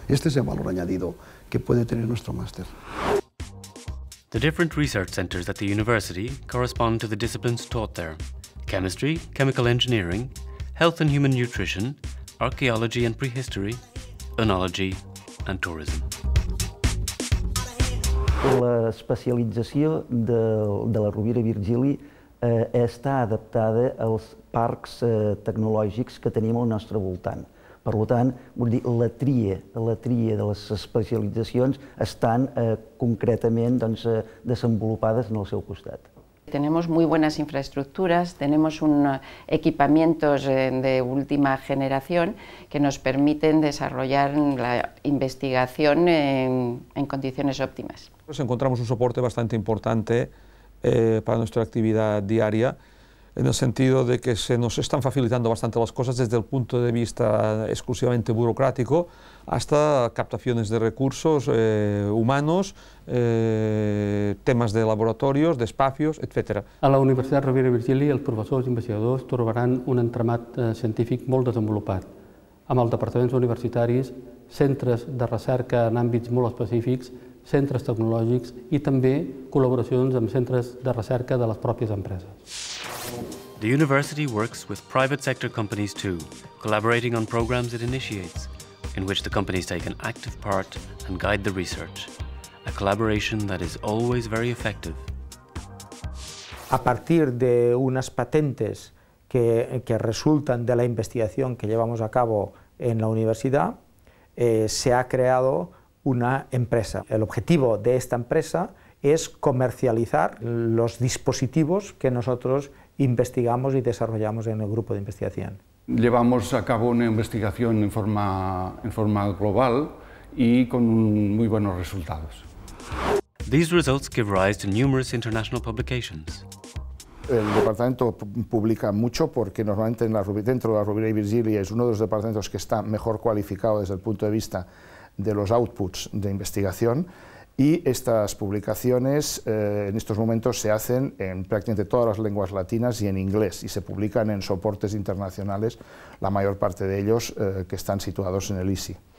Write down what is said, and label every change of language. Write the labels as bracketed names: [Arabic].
[Spanish] Este es el valor añadido que puede tener nuestro máster. [English] The different research centers at the university correspond to the disciplines taught there. Chemistry, chemical engineering, health and human nutrition, archaeology and prehistory, oenology and tourism. [Catalan] L'especialització de la Rovira Virgili està adaptada als parcs tecnològics que tenim al nostre voltant. Per tant, vull dir, la tria de les especialitzacions estan concretament doncs, desenvolupades en el seu costat. [Spanish] Tenemos muy buenas infraestructuras, tenemos equipamientos de última generación que nos permiten desarrollar la investigación en condiciones óptimas. Pues encontramos un soporte bastante importante para nuestra actividad diaria, en el sentido de que se nos están facilitando bastante las cosas desde el punto de vista exclusivamente burocrático hasta captaciones de recursos humanos, temas de laboratorios, de espacios, etc. [Catalan] A la Universitat Rovira i Virgili els professors i investigadors trobaran un entramat científic molt desenvolupat, amb els departaments universitaris, centres de recerca en àmbits molt específics, centres tecnològics i també col·laboracions amb centres de recerca de les pròpies empreses. [English] The university works with private sector companies too, collaborating on programs it initiates, in which the companies take an active part and guide the research, a collaboration that is always very effective. [Spanish] A partir de unas patentes que resultan de la investigación que llevamos a cabo en la universidad, se ha creado una empresa. El objetivo de esta empresa es comercializar los dispositivos que nosotros investigamos y desarrollamos en el grupo de investigación. Llevamos a cabo una investigación en forma global y con muy buenos resultados. [English] These results give rise to numerous international publications. [Spanish] El departamento publica mucho porque normalmente dentro de la Rovira y Virgili es uno de los departamentos que está mejor cualificado desde el punto de vista de los outputs de investigación. Y estas publicaciones en estos momentos se hacen en prácticamente todas las lenguas latinas y en inglés, y se publican en soportes internacionales, la mayor parte de ellos que están situados en el ISI.